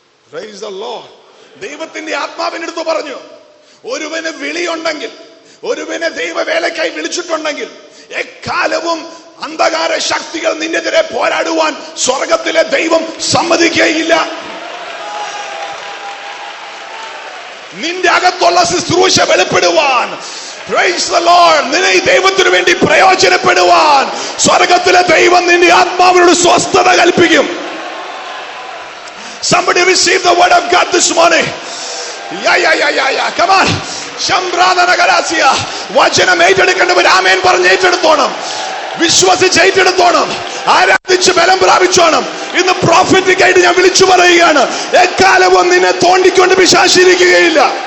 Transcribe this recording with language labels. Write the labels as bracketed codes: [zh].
[en] Praise the Lord. [ml] ദൈവത്തിന്റെ ആത്മാവിനടുത്ത് പറഞ്ഞു, ഒരുവന് വിളിയുണ്ടെങ്കിൽ, ഒരുവനെ ദൈവവേലക്കായി വിളിച്ചിട്ടുണ്ടെങ്കിൽ എക്കാലവും അന്ധകാര ശക്തികൾ നിന്നെതിരെ പോരാടുവാൻ സ്വർഗത്തിലെ ദൈവം സമ്മതിക്കുകയില്ല. നിന്റെ അകത്തുള്ള ശുശ്രൂഷ വെളിപ്പെടുവാൻ, [en] praise the Lord, [ml] നിന്നെ ദൈവത്തിനു വേണ്ടി പ്രയോജനപ്പെടുവാൻ സ്വർഗത്തിലെ ദൈവം നിന്റെ ആത്മാവിനോട് സ്വസ്ഥത കൽപ്പിക്കും. [en] Somebody receive the word of God this morning. Yeah. Come on. [ml] ശംബ്രാദനഗരാസിയ വചനം ഏറ്റെടുക്കേണ്ടവർ ആമേൻ പറഞ്ഞ് ഏറ്റെടുത്തോണം, വിശ്വസിച്ച് ഏറ്റെടുത്തോണം, ആരാധിച്ച് ബലം പ്രാപിച്ചോണം. ഇന്ന് പ്രോഫറ്റിക് ആയിട്ട് ഞാൻ വിളിച്ചു പറയുകയാണ്, എക്കാലവും നിന്നെ തോണ്ടിക്കൊണ്ട് പിശാചിരിക്കുകയില്ല.